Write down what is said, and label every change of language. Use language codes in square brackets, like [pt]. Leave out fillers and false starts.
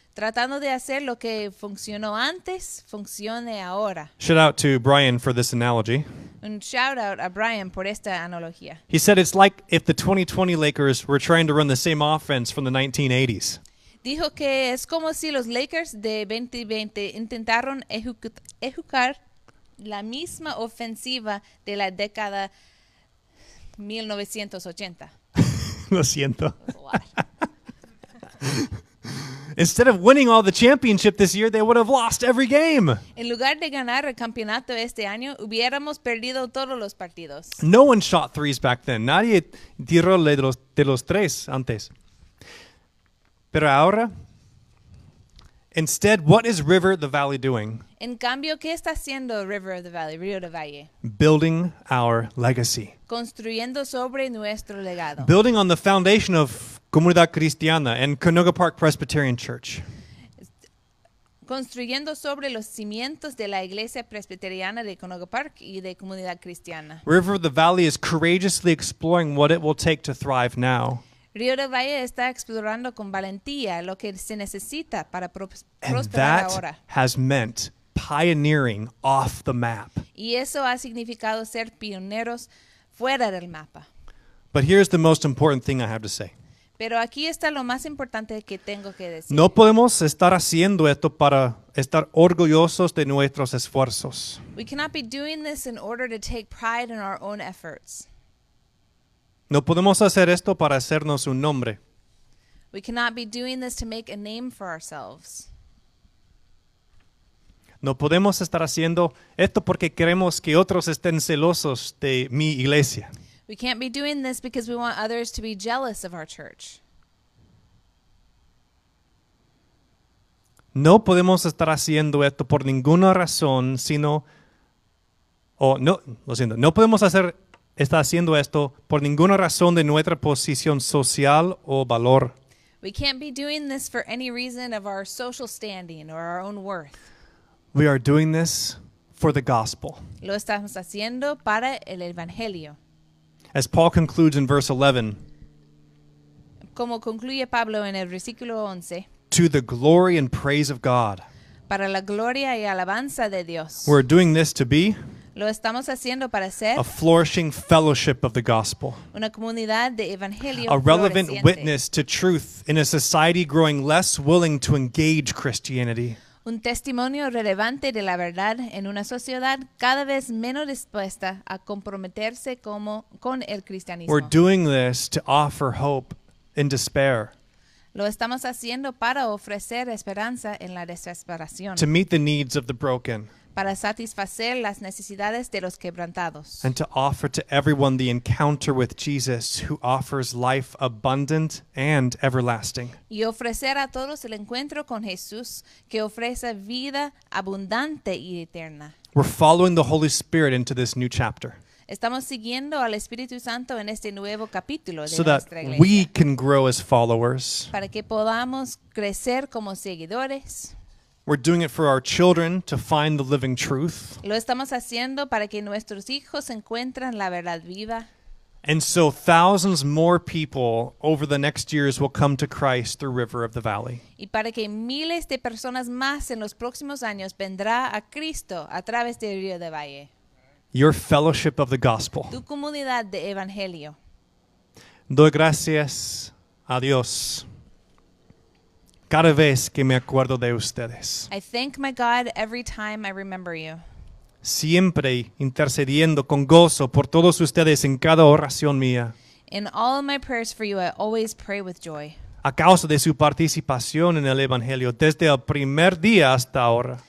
[es] Tratando de hacer lo que funcionó antes, funcione ahora. [en] Shout out to Brian for this analogy. [es] Un shout out a Brian por esta analogía. [en] He said it's like if the 2020 Lakers were trying to run the same offense from the 1980s. [es] Dijo que es como si los Lakers de 2020 intentaron ejecutar la misma ofensiva de la década 1980. Lo siento. [en] Instead of winning all the championship this year, they would have lost every game. [es] En lugar de ganar el campeonato este año, hubiéramos perdido todos los partidos. [en] No one shot threes back then. [es] Nadie tiró de los tres antes. Pero ahora, [en] instead, what is River of the Valley doing? [es] En cambio, ¿qué está haciendo River of the Valley, Río de Valle? [en] Building our legacy. [es] Construyendo sobre nuestro legado. [en] Building on the foundation of Comunidad Cristiana and Canoga Park Presbyterian Church. [es] Construyendo sobre los cimientos de la Iglesia Presbiteriana de Canoga Park y de Comunidad Cristiana. [en] River of the Valley is courageously exploring what it will take to thrive now. [es] Río de Valle está explorando con valentía lo que se necesita para prosperar ahora. [en] And that has meant pioneering off the map. [es] Y eso ha significado ser pioneros fuera del mapa. [en] But here's the most important thing I have to say. [es] Pero aquí está lo más importante que tengo que decir. No podemos estar haciendo esto para estar orgullosos de nuestros esfuerzos. [en] We cannot be doing this in order to take pride in our own efforts. [es] No podemos hacer esto para hacernos un nombre. [en] We cannot be doing this to make a name for ourselves. [es] No podemos estar haciendo esto porque queremos que otros estén celosos de mi iglesia. [en] We can't be doing this because we want others to be jealous of our church. [es] No podemos estar haciendo esto por ninguna razón, sino... No podemos hacer... Está haciendo esto por ninguna razón de nuestra posición social o valor. [en] We can't be doing this for any reason of our social standing or our own worth. We are doing this for the gospel. [es] Lo estamos haciendo para el evangelio. [en] As Paul concludes in verse 11. [es] Como concluye Pablo en el versículo 11. [en] To the glory and praise of God. [es] Para la gloria y alabanza de Dios. [en] We're doing this to be... [es] Lo estamos haciendo para ser [en] a flourishing fellowship of the gospel. [es] Una comunidad de evangelio [en] a relevant witness to truth in a society growing less willing to engage Christianity. [es] Un testimonio relevante de la verdad en una sociedad cada vez menos dispuesta a comprometerse con el cristianismo. [en] We're doing this to offer hope in despair. [es] Lo estamos haciendo para ofrecer esperanza en la desesperación. [en] To meet the needs of the broken. [es] Para satisfacer las necesidades de los quebrantados. [en] And to offer to everyone the encounter with Jesus who offers life abundant and everlasting. [es] Y ofrecer a todos el encuentro con Jesús que ofrece vida abundante y eterna. [en] We're following the Holy Spirit into this new chapter. [es] Estamos siguiendo al Espíritu Santo en este nuevo capítulo de [en] so [es] nuestra iglesia. [en] So that we can grow as followers. [es] Para que podamos crecer como seguidores. [en] We're doing it for our children to find the living truth. [es] Lo estamos haciendo para que nuestros hijos encuentren la verdad viva. [en] And so thousands more people over the next years will come to Christ through River of the Valley. [es] Y para que miles de personas más en los próximos años vendrá a Cristo a través de Río de Valle. [en] Your fellowship of the gospel. [es] Tu comunidad de evangelio. Doy gracias a Dios. Cada vez que me acuerdo de ustedes. [en] I thank my God every time I remember you. [es] Siempre intercediendo con gozo por todos ustedes en cada oración mía. [en] In all of my prayers for you, I always pray with joy. [es] A causa de su participación en el Evangelio desde el primer día hasta ahora.